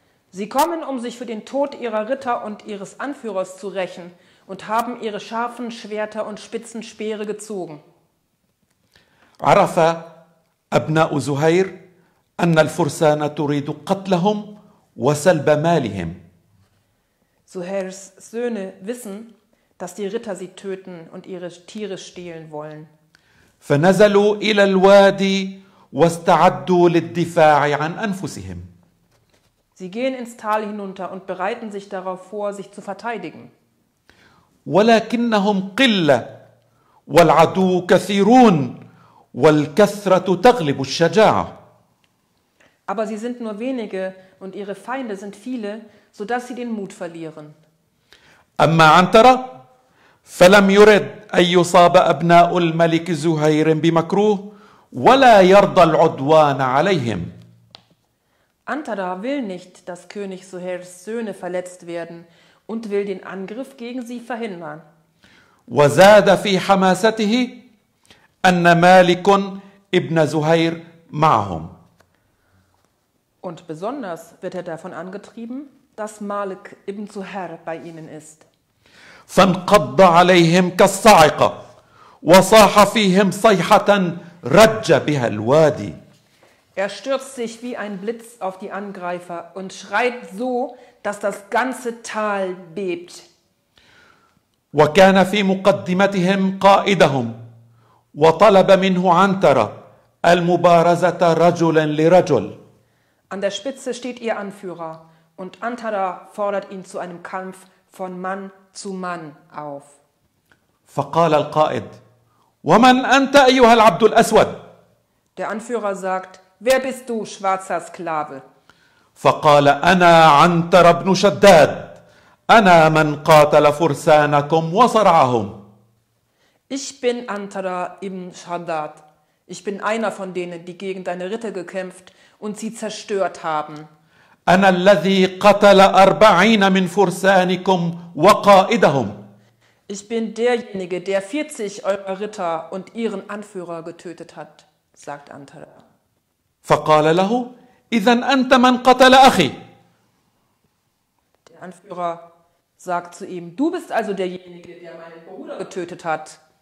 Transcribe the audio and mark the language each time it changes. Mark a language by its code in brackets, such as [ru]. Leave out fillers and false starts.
[de] Sie kommen, um sich für den Tod ihrer Ritter und ihres Anführers zu rächen und haben ihre scharfen Schwerter und spitzen Speere gezogen. [ar] عرف أبناء زهير أن الفرسان تريد قتلهم وسلب مالهم. [de] Zuhairs Söhne wissen, dass die Ritter sie töten und ihre Tiere stehlen wollen. [ar] فنزلوا إلى الوادي واستعدوا للدفاع عن أنفسهم. [de] Sie gehen ins Tal hinunter und bereiten sich darauf vor, sich zu verteidigen. [ar] ولكنهم قلة والعدو كثيرون والكثرة تغلب الشجاعة. [de] Aber sie sind nur wenige und ihre Feinde sind viele, sodass sie den Mut verlieren. [ar] أما عنترة فلم يرد أن يصاب أبناء الملك زهير بمكروه ولا يرضى العدوان عليهم. [de] Antara will nicht, dass König Zuhairs Söhne verletzt werden und will den Angriff gegen sie verhindern. [ar] وزاد في حماسته أن مالك ابن زهير معهم. [de] Und besonders wird davon angetrieben, dass Malik ibn Zuhair bei ihnen ist. [ar] فانقض عليهم كالصاعقة وصاح فيهم صيحة رج بها الوادي. [de] Stürzt sich wie ein Blitz auf die Angreifer und schreit so, dass das ganze Tal bebt. [ar] وكان في مقدمتهم قائدهم وطلب منه عنترة المبارزة رجلا لرجل. [de] An der Spitze steht ihr Anführer und Antara fordert ihn zu einem Kampf von Mann zu Mann auf. [ar] فقال القائد: ومن أنت أيها العبد الأسود؟ [de] Der Anführer sagt: Wer bist du, schwarzer Sklave? [ar] فقال: أنا عنتر بن شداد. أنا من قاتل فرسانكم وصرعهم. [de] Ich bin Antara ibn Shaddad. Ich bin einer von denen, die gegen deine Ritter gekämpft und sie zerstört haben. [ar] أنا الذي قتل 40 من فرسانكم وقائدهم. [de] Ich bin derjenige, der 40 eurer Ritter und ihren Anführer getötet hat, sagt Antara. [ar] فقال له: إذا أنت من قتل أخي. [de] Der Anführer sagt zu ihm: Du bist also derjenige, der meinen Bruder getötet hat.